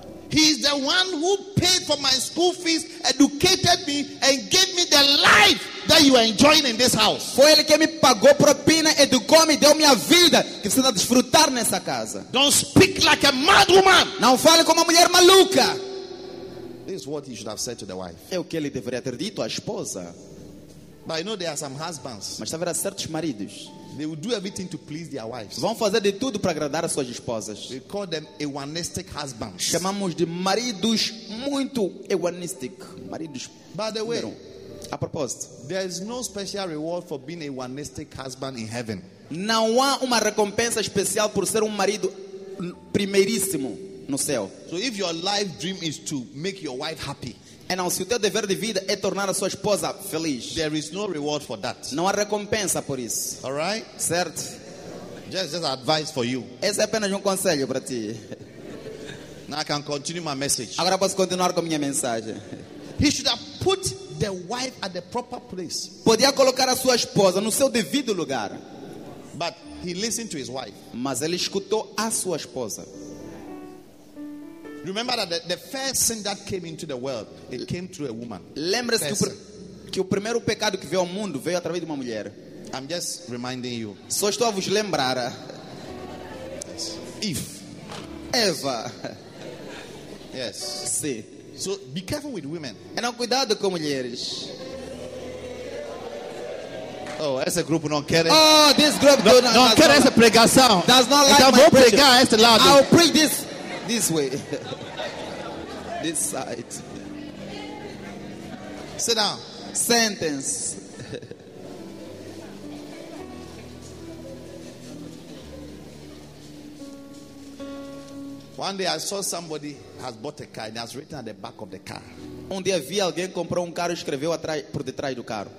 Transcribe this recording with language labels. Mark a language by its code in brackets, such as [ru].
[en] He is the one who paid for my school fees, educated me, and gave me the life that you are enjoying in this house. [pt] Foi ele que me pagou propina, educou-me, deu-me a vida que você está a desfrutar nessa casa. [en] Don't speak like a mad woman. [pt] Não fale como uma mulher maluca. [en] This is what he should have said to the wife. [pt] É o que ele deveria ter dito à esposa. [en] But I know there are some husbands. [pt] Mas haverá certos maridos. [en] They will do everything to please their wives. [pt] Vão fazer de tudo para agradar as suas esposas. [en] We call them hedonistic husbands. [pt] Chamamos de maridos muito hedonistic. Maridos. [en] By the way, [pt] a propósito, [en] there is no special reward for being a hedonistic husband in heaven. [pt] Não há uma recompensa especial por ser marido primeiríssimo no céu. [en] So if your life dream is to make your wife happy, [pt] então, se o teu dever de vida é tornar a sua esposa feliz, [en] there is no reward for that. [pt] Não há recompensa por isso. [en] All right? [pt] Certo. [en] Just advice for you. [pt] Esse é apenas conselho para ti. [en] Now I can continue my message. [pt] Agora posso continuar com minha mensagem. [en] He should have put the wife at the proper place. [pt] Podia colocar a sua esposa no seu devido lugar. [en] But he listened to his wife. [pt] Mas ele escutou a sua esposa. [en] Remember that the first sin that came into the world, it came through a woman. [pt] Lembra-se que o primeiro pecado que veio ao mundo veio através de uma mulher. [en] I'm just reminding you. [pt] Só estou a vos lembrar. [en] Yes. [pt] Eva. [en] Yes. [pt] Sim. [en] So be careful with women. [pt] E não cuidado com mulheres. Oh, esse grupo não quer. [en] Oh, this group no, do not. [pt] Não quer essa pregação. [en] Does not like [pt] então, [en] my [pt] vou pregar este lado. [en] I'll preach this way. This side. Sit down. Sentence. One day I saw somebody has bought a car and has written at the back of the car. [pt] Um dia vi alguém comprou carro e escreveu atrás por detrás do carro.